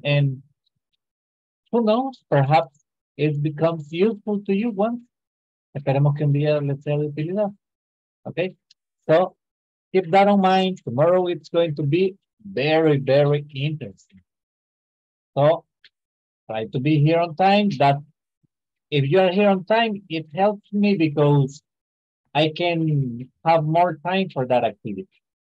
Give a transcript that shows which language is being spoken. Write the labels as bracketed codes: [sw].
[en] And who knows, perhaps it becomes useful to you once. [es] Esperemos que un día les sea de utilidad. [en] Okay? So keep that in mind. Tomorrow it's going to be very, very interesting. So try to be here on time. That if you are here on time, it helps me because I can have more time for that activity.